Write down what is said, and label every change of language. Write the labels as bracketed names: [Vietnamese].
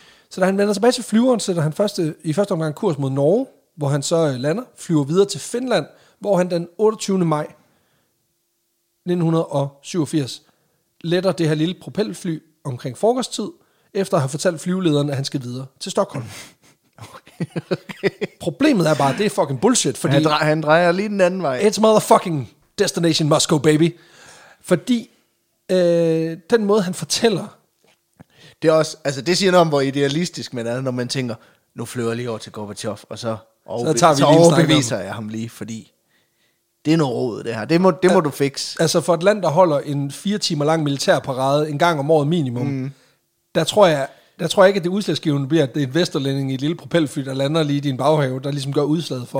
[Danish] Så da han vender tilbage til flyveren, sætter han i første omgang kurs mod Norge, hvor han så lander, flyver videre til Finland, hvor han den 28. maj 1987 letter det her lille propelfly omkring frokosttid, efter at have fortalt flyvelederen, at han skal videre til Stockholm. Okay. Okay. Problemet er bare, det er fucking bullshit, fordi... Han drejer lige den anden vej. [English] It's motherfucking destination Moscow, baby. [Danish] Fordi den måde, han fortæller... Det er også, altså det siger noget om, hvor idealistisk man er, når man tænker, nu flyver jeg lige over til Gorbachev, og så overbeviser jeg ham lige, fordi det er noget råd, det her. Det må du fikse. Altså for et land, der holder en 4 timer lang militærparade en gang om året minimum, der tror jeg ikke, at det udslagsgivende bliver, at det er en vesterlænding i et lille propelfly, der lander lige i din baghave, der ligesom gør udslaget for.